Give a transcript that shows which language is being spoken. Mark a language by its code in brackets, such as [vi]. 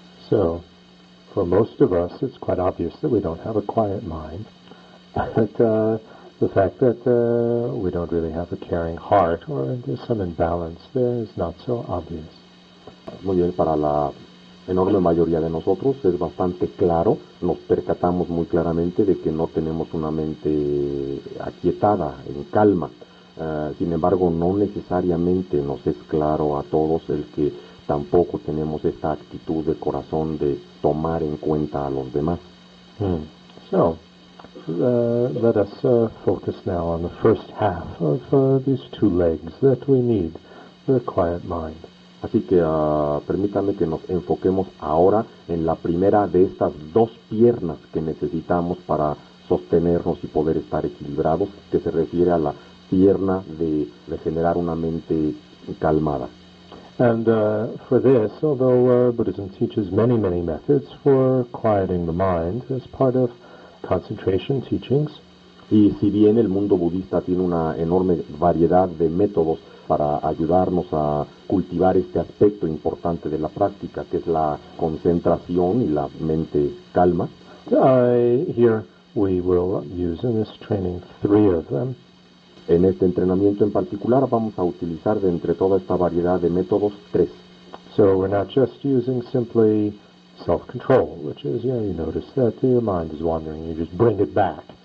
[en] So, for most of us, it's quite obvious that we don't have a quiet mind. But the fact that we don't really have a caring heart or there's some imbalance there is not so obvious. [es] Muy bien, para la enorme mayoría de nosotros es bastante claro, nos percatamos muy claramente de que no tenemos una mente aquietada, en calma. Sin embargo, no necesariamente nos es claro a todos el que tampoco tenemos esta actitud de corazón de tomar en cuenta a los demás. [en] So, let us focus now on the first half of these two legs that we need, the quiet mind. [es] Así que permítanme que nos enfoquemos ahora en la primera de estas dos piernas que necesitamos para sostenernos y poder estar equilibrados, que se refiere a la pierna de generar una mente calmada. [en] And for this, although Buddhism teaches many, many methods for quieting the mind as part of concentration teachings, [es] y si bien el mundo budista tiene una enorme variedad de métodos para ayudarnos a cultivar este aspecto importante de la práctica, que es la concentración y la mente calma. [en] Here we will use in this training three of them. [es] En este entrenamiento en particular vamos a utilizar de entre toda esta variedad de métodos tres. [en] So we're not just using simply self-control, which is, you know, you notice that your mind is wandering, you just bring it back.